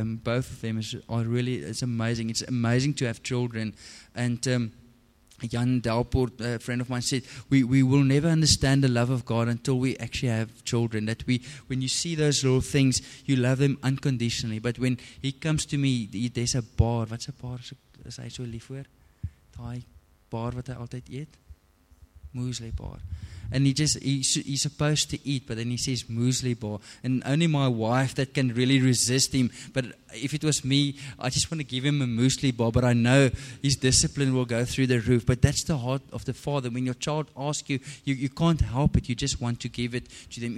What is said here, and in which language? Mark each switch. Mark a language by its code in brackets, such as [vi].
[en] Both of them are really, it's amazing. It's amazing to have children. And Jan Delport, a friend of mine, said, we will never understand the love of God until we actually have children. That we, when you see those little things, you love them unconditionally. But when he comes to me, there's a bar. What's a bar? [af] Is hy so lief voor? Daai bar wat hy altyd eet? [en] Muesli bar. And he's supposed to eat, but then he says muesli bar. And only my wife that can really resist him. But if it was me, I just want to give him a muesli bar. But I know his discipline will go through the roof. But that's the heart of the father. When your child asks you, you can't help it. You just want to give it to them.